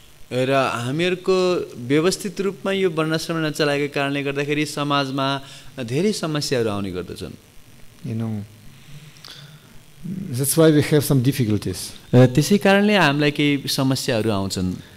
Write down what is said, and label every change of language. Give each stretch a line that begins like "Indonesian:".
Nepali: र हामीहरुको व्यवस्थित रूपमा यो वर्णाश्रम नचलाएको कारणले गर्दाखेरि समाजमा धेरै समस्याहरु आउने गर्दछन्
English: you know that's why we have some difficulties
Nepali: त्यसै कारणले हामीलाई केही समस्याहरु आउँछन्